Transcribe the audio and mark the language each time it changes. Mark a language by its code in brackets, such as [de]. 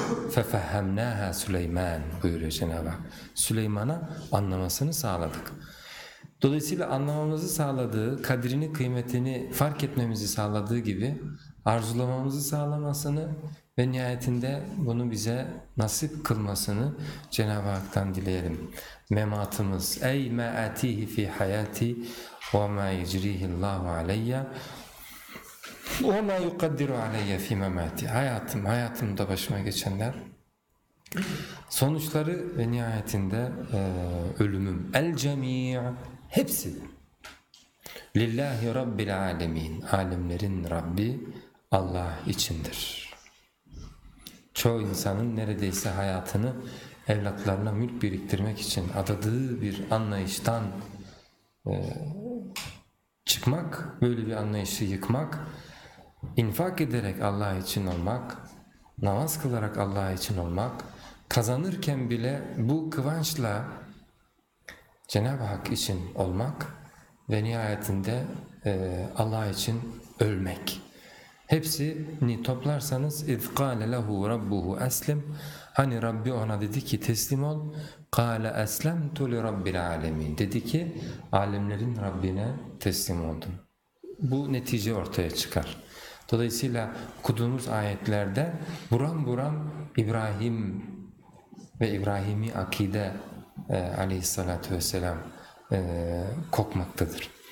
[ar] فَفَهَّمْنَاهَا سُلَيْمَانَ [tr] buyuruyor Cenab-ı Hak. Süleyman'a anlamasını sağladık. Dolayısıyla anlamamızı sağladığı, kadrini, kıymetini fark etmemizi sağladığı gibi arzulamamızı sağlamasını ve nihayetinde bunu bize nasip kılmasını Cenab-ı Hak'tan dileyelim. Mematımız [ar] اَيْ مَا اَتِيهِ فِي حَيَاتِ وَمَا يَجْرِيهِ اللّٰهُ عَلَيَّ وَمَا يُقَدِّرُ عَلَيَّ فِي مَمَاتِ. [tr] Hayatım, hayatımda başıma geçenler, sonuçları ve nihayetinde ölümüm. [ar] الْجَمِيعُ [tr] hepsi. [ar] لِلّٰهِ رَبِّ الْعَالَمِينَ [tr] alemlerin Rabbi Allah içindir. Çoğu insanın neredeyse hayatını evlatlarına mülk biriktirmek için adadığı bir anlayıştan çıkmak, böyle bir anlayışı yıkmak, İnfak ederek Allah için olmak, namaz kılarak Allah için olmak, kazanırken bile bu kıvançla Cenab-ı Hak için olmak ve nihayetinde Allah için ölmek. Hepsini toplarsanız [ar] اِذْ قَالَ لَهُ رَبُّهُ أَسْلِمْ. [tr] Hani Rabbi ona dedi ki teslim ol. [ar] قَالَ أَسْلَمْتُ لِرَبِّ الْعَالَمِينَ. [tr] Dedi ki alemlerin Rabbine teslim oldum. Bu netice ortaya çıkar. Dolayısıyla okuduğumuz ayetlerde buram buram İbrahim ve İbrahim'i akide aleyhissalatü vesselam kokmaktadır.